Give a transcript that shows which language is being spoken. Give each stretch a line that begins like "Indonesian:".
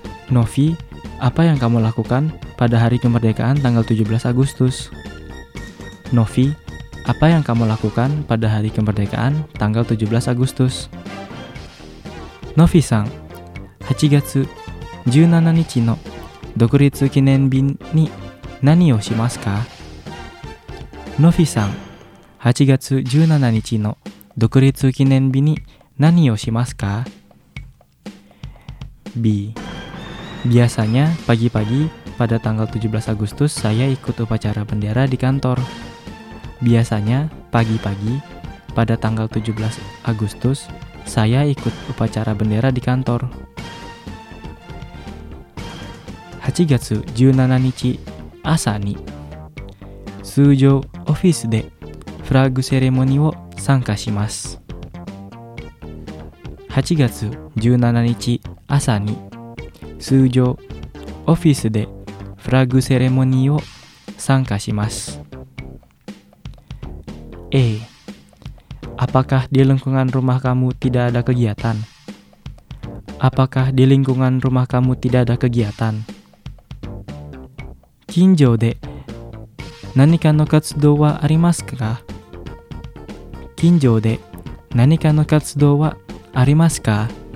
Indonesian: Nofi, apa yang kamu lakukan pada hari kemerdekaan tanggal 17 Agustus? Nofi, apa yang kamu lakukan pada hari kemerdekaan tanggal 17 Agustus?
Japanese: Novi-san, 8月 17日 の独立 記念日 に 何 を します か? Novi-san, 8月 17日 の 独立 記念日 に 何 を します か? B.
Indonesian: Biasanya pagi-pagi pada tanggal 17 Agustus saya ikut upacara bendera di kantor. Biasanya pagi-pagi pada tanggal 17 Agustus saya ikut upacara bendera di kantor.
Japanese: 8月 17日 朝 に 通常 office で
English: flag ceremony
Japanese: を 参加 します。 8月 17日 朝 に 通常 office で flag ceremony を 参加 します。 A.
Indonesian: Apakah di lingkungan rumah kamu tidak ada kegiatan? Apakah di lingkungan rumah kamu tidak ada kegiatan?
Japanese: 近所で何かの活動はありますか？近所で何かの活動はありますか？